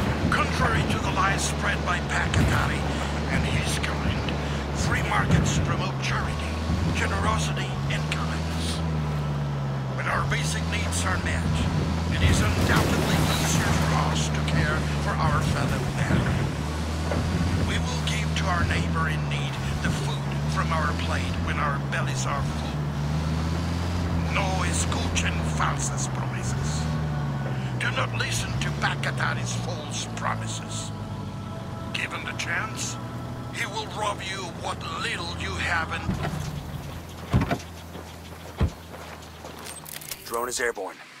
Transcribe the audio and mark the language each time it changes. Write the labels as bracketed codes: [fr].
[en] Contrary to the lies spread by Pat Catani and his kind, free markets promote charity, generosity, and kindness. When our basic needs are met, it is undoubtedly easier for us to care for our fellow men. We will give to our neighbor in need the food from our plate when our bellies are full. [es] No escuchen falsas promesas. [en] Do not listen to Pat Catani's false promises. Given the chance, he will rob you of what little you have in... Drone is airborne.